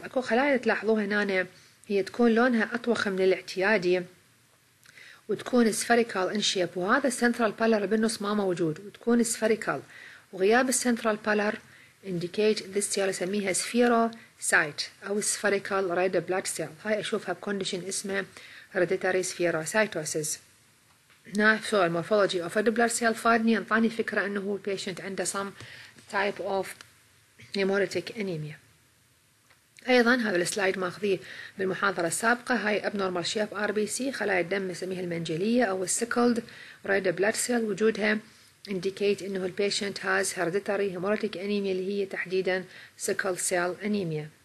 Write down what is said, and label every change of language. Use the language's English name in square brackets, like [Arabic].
[Arabic] اكو خلايا تلاحظوها هنا هي تكون لونها اطوخ من الاعتيادي وتكون سفيريكال ان شيب، وهذا السنترال بالر بالنص ما موجود وتكون سفيريكال. وغياب السنترال بالر [English] indicate this cell, [Arabic] اسميها سفيرو سايت او سفيريكال ريد بلاد سيل. هاي اشوفها بكونديشن اسمه هيريديتري سفيروسايتوسيس. [English] Now, so the morphology of a blood cell found me and gave me the idea that the patient had some type of hemolytic anemia. [Arabic] أيضا هذا السلايد ماخذيه بالمحاضرة السابقة. هاي [English] abnormal shape RBC، [Arabic] خلايا الدم نسميها المنجلية أو [English] sickled red blood cell، [Arabic] وجودها [English] indicate [Arabic] إنه [English] the patient has hereditary hemolytic anemia [Arabic] اللي هي تحديدا [English] sickled cell anemia.